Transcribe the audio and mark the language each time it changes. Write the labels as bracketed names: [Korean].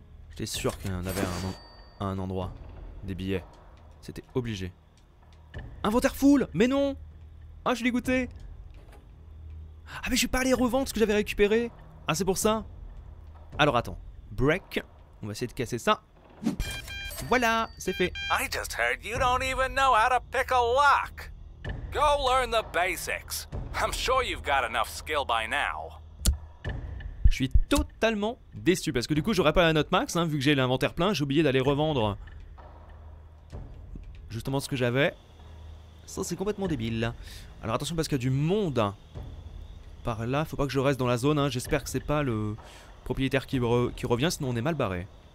[French] J'étais sûr qu'il y en avait un endroit. Des billets. C'était obligé. Inventaire full! Mais non! Ah, je suis dégoûté! Ah, mais je vais pas aller revendre ce que j'avais récupéré! Ah, c'est pour ça? Alors attends. Break. On va essayer de casser ça. Voilà, c'est fait. [English] I just heard you don't even know how to pick a lock. Go learn the basics. I'm sure you've got enough skill by now. [French] Je suis totalement déçu parce que du coup, j'aurais pas la note max, hein, vu que j'ai l'inventaire plein. J'ai oublié d'aller revendre justement ce que j'avais. Ça, c'est complètement débile. Alors attention parce qu'il y a du monde par là. Faut pas que je reste dans la zone. Hein. J'espère que c'est pas le propriétaire qui revient, sinon on est mal barré.